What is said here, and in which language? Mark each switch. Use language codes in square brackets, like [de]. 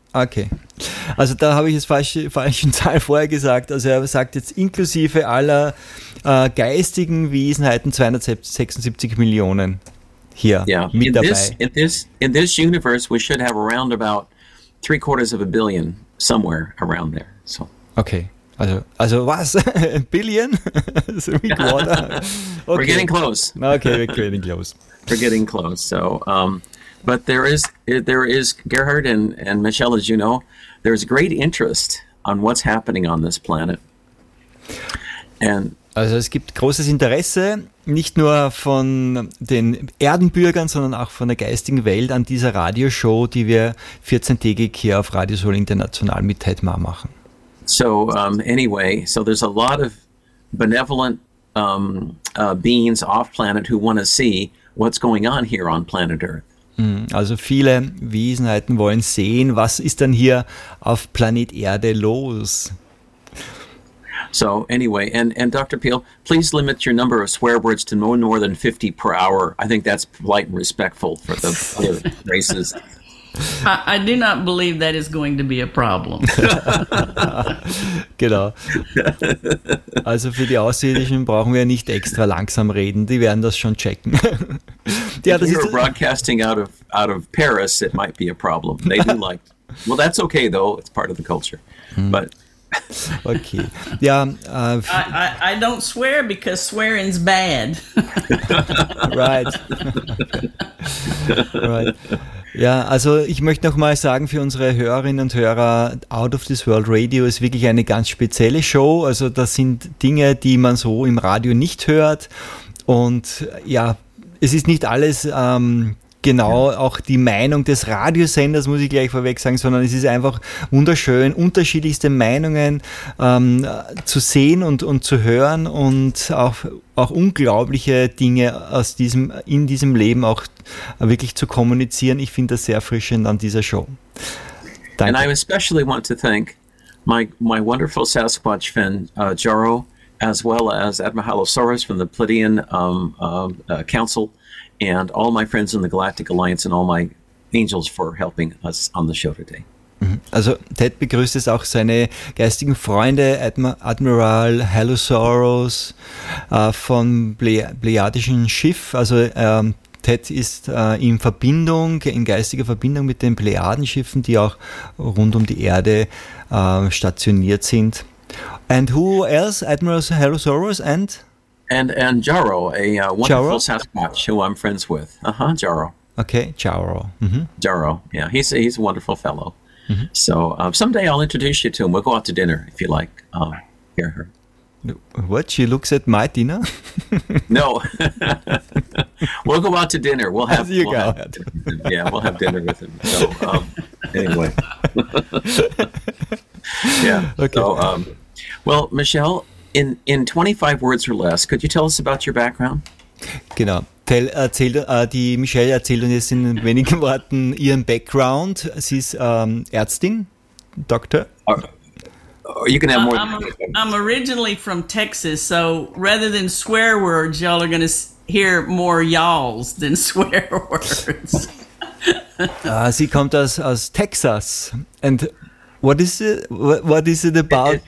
[de] Okay, also da habe ich jetzt falsche Zahl vorher gesagt. Also er sagt jetzt inklusive aller geistigen Wesenheiten 276 Millionen hier mit dabei. [en] In this universe we should have around about 750 million somewhere around there. So. [de] Okay, also was? Billion? So [en] okay. We're getting close. So. But there is Gerhard and Michelle, as you know, there's great interest on what's happening on this planet. [de] And also es gibt großes Interesse, nicht nur von den Erdenbürgern, sondern auch von der geistigen Welt an dieser Radioshow, die wir 14-tägig hier auf Radio Soul International mit Ted Ma machen. [en] So anyway, so there's a lot of benevolent beings off planet who want to see what's going on here on planet Earth. [de] Also viele Wesenheiten wollen sehen, was ist denn hier auf Planet Erde los? [en] So anyway, and Dr. Peel, please limit your number of swear words to no more than 50 per hour. I think that's polite and respectful for the other races. I do not believe that is going to be a problem. [de] Genau. Also für die Außerirdischen brauchen wir nicht extra langsam reden. Die werden das schon checken. [en] Ja, if you were broadcasting out of Paris, it might be a problem. They do like... Well, that's okay, though. It's part of the culture. But... [de] Okay. Ja. [en] I don't swear because swearing's bad. Right. Right. [de] Ja, also ich möchte nochmal sagen für unsere Hörerinnen und Hörer, Out of This World Radio ist wirklich eine ganz spezielle Show. Also das sind Dinge, die man so im Radio nicht hört. Und ja, es ist nicht alles genau auch die Meinung des Radiosenders, muss ich gleich vorweg sagen, sondern es ist einfach wunderschön, unterschiedlichste Meinungen zu sehen und zu hören und auch unglaubliche Dinge in diesem Leben auch wirklich zu kommunizieren. Ich finde das sehr erfrischend an dieser Show. Danke. [en] And I especially want to thank my wonderful Sasquatch friend, Jaro, as well as Admahalosaurus from the Pleiadian Council, and all my friends in the Galactic Alliance and all my angels for helping us on the show today. [de] Also Ted begrüßt es auch seine geistigen Freunde, Admiral Halosaurus von Pleiadischen Schiff. Also Ted ist in geistiger Verbindung mit den Pleiadenschiffen, die auch rund um die Erde stationiert sind. [en] And who else? Admiral Halosaurus and? And Jaro, a wonderful Sasquatch who I'm friends with. Uh-huh, Jaro. Okay, Jaro. Mm-hmm. Jaro, yeah, he's a wonderful fellow. Mm-hmm. So someday I'll introduce you to him. We'll go out to dinner if you like. Hear her. What? She looks at my dinner? No. We'll go out to dinner. We'll have, you we'll go. Have yeah, we'll have dinner with him. So anyway. Yeah. Okay. So, well, Michelle, in 25 words or less, could you tell us about your background? [de] Genau. Die Michelle erzählt uns jetzt in wenigen Worten ihren Background. Sie ist Ärztin, Doktor. [en] You can have more. I'm originally from Texas, so rather than swear words, y'all are going to hear more y'alls than swear words. [de] sie kommt aus Texas. [en] And what is it about?